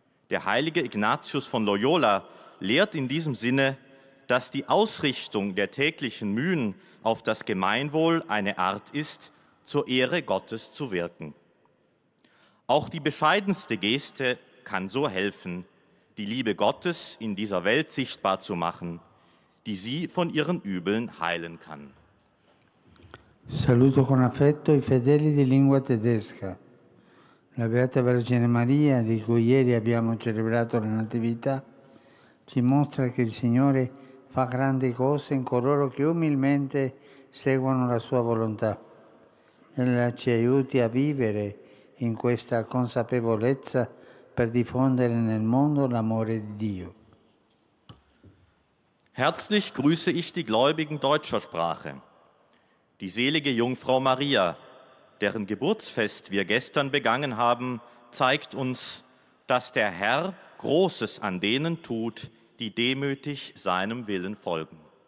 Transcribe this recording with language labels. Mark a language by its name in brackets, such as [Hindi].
[German] Der heilige Ignatius von Loyola lehrt in diesem Sinne, dass die Ausrichtung der täglichen Mühen auf das Gemeinwohl eine Art ist, zur Ehre Gottes zu wirken. Auch die bescheidenste Geste kann so helfen, die Liebe Gottes in dieser Welt sichtbar zu machen, die sie von ihren Übeln heilen kann. [Italian] Saluto con affetto i fedeli di lingua tedesca. La Beata Vergine Maria, di cui ieri abbiamo celebrato la Natività, ci mostra che il Signore fa grandi cose in coloro che umilmente seguono la sua volontà. Ella ci aiuti a vivere in questa consapevolezza per diffondere nel mondo l'amore di Dio. [German] Herzlich grüße ich die Gläubigen deutscher Sprache, die selige Jungfrau Maria, deren Geburtsfest wir gestern begangen haben, zeigt uns, dass der Herr Großes an denen tut, die demütig seinem Willen folgen.